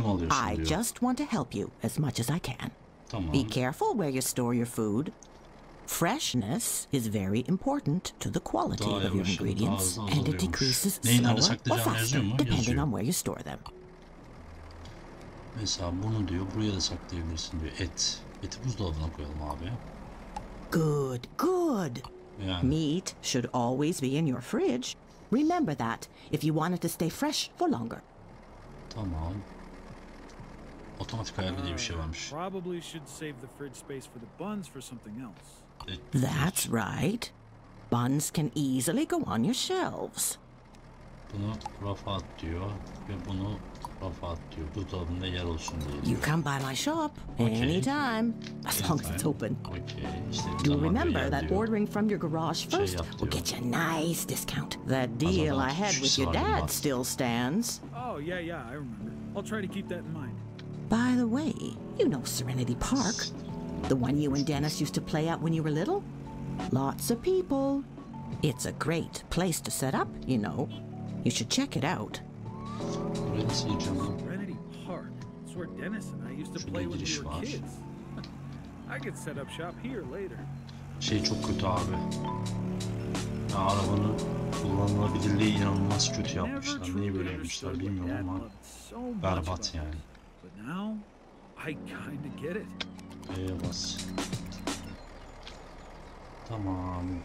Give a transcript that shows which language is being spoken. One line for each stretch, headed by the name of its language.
English: I just want to help you as much as I can.
Turkish: Tamam.
English: Be careful where you store your food. Freshness is very important to the quality
Turkish: daha
English: of your ingredients, and it decreases slower or faster depending on where you store them.
Turkish: Mesela bunu diyor, buraya da saklayabilirsin diyor. Et, eti buzdolabına koyalım abi.
English: Good, good.
Turkish: Yani.
English: Meat should always be in your fridge. Remember that if you want it to stay fresh for longer.
Turkish: Tamam. Otomatik ayarlı diye bir şey varmış.
English: Probably should save the fridge space for the buns for something else. That's right. Buns can easily go on your shelves.
Turkish: Bunu rafa at diyor ve bunu rafa at diyor. Buzdolabında yer olsun diye.
English: You can buy my shop anytime, as long as it's open. Okay. Do remember that ordering from your garage first will get you a nice discount. That deal I had with your dad still stands. Oh yeah, yeah, I remember. I'll try to keep that in mind. By the way, you know Serenity Park, the one you and Dennis used to play at when you were little? Lots of people. It's a great place to set up, you know. You should check it out. Serenity Park. It's where Dennis and I used to play when we were kids. I could set up shop here later.
Turkish: Şey çok kötü abi. Ya arabanın kullanılabilirliği inanılmaz kötü yapmışlar. Niye böyle yapmışlar bilmiyorum ama berbat yani.
English: Now I kind of get it.
Turkish: Eyvaz. Tamam.